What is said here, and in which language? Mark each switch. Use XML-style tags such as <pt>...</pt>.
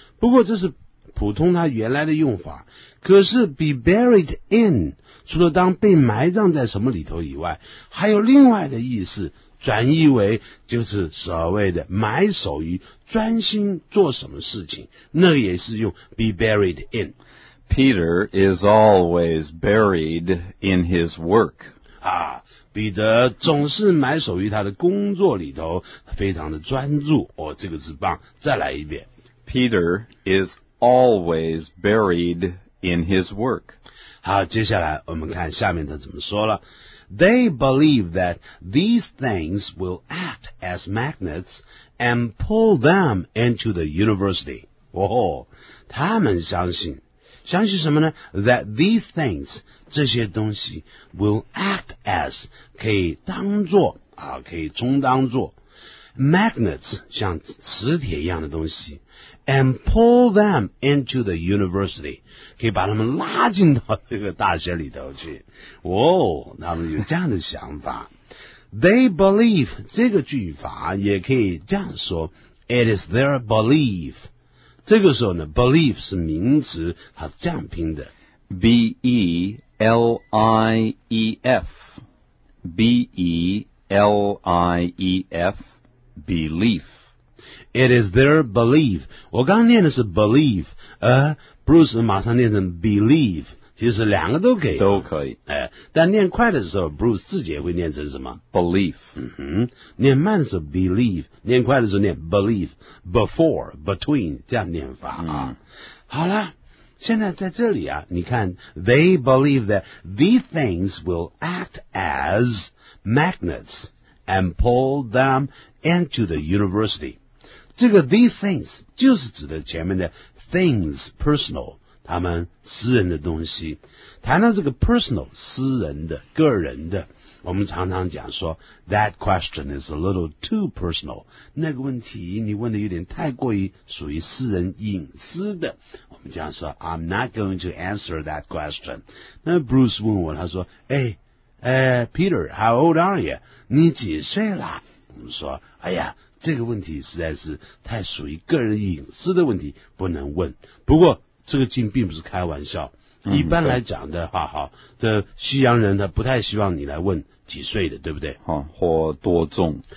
<zh>不过这是普通他原来的用法，可是</zh> <en>be buried in,</en> <zh>除了当被埋葬在什么里头以外，还有另外的意思，转译为就是所谓的埋首于，专心做什么事情，那也是用 be buried in。</zh> <en>Peter is always buried in his work。</en> <zh>啊，彼得总是埋首于他的工作里头，非常的专注。哦，这个字棒，再来一遍，</zh> <en>Peter is always buried in his work。</en> <zh>好，接下来我们看下面他怎么说了。</zh> <en>They believe that these things will act as magnets and pull them into the university.</en> <zh>哦，他们相信，相信什么呢？</zh> <en>That these things,</en> <zh>这些东西</zh> <en>will act as,</en> <zh>可以当作，啊，可以充当作 magnets, 像磁铁一样的东西，</zh> <en>and pull them into the university.</en> <zh>可以把他们拉进到这个大学里头去。哦，他们有这样的想法。</zh> <en>They believe,</en> <zh>这个句法也可以这样说，</zh> <en>It is their belief.</en> <zh>这个时候呢， belief 是名词，它是这样拼的，</zh> <en>B-E-L-I-E-F B-E-L-I-E-F Belief. It is their belief.</en> <zh>我刚念的是 belief, Bruce 马上念成 believe, 其实两个都可以。都可以。哎，但念快的时候 ,Bruce 自己也会念成什么</zh> <en>?belief。嗯哼。</en> <zh>念慢的时候 believe, 念快的时候念 believe, before, between, 这样念法啊。嗯、好啦，现在在这里啊，你看 ,</zh> <en>they believe that these things will act as magnets and pull them into the university.</en> <zh>这个 these things 就是指的前面的Things, personal, 他们私人的东西。谈到这个 personal, 私人的、个人的，我们常常讲说</zh> <en>that question is a little too personal,</en> <zh>那个问题你问的有点太过于属于私人隐私的，我们讲说</zh> <en>I'm not going to answer that question.</en> <zh>那 Bruce 问我，他说哎、</zh> <en>hey, Peter, how old are you?</en> <zh>你几岁啦？我们说哎呀，这个问题实在是太属于个人隐私的问题，不能问。不过这个镜并不是开玩笑，一般来讲的话，好，这西洋人他不太希望你来问几岁的，对不对？或多重。</zh>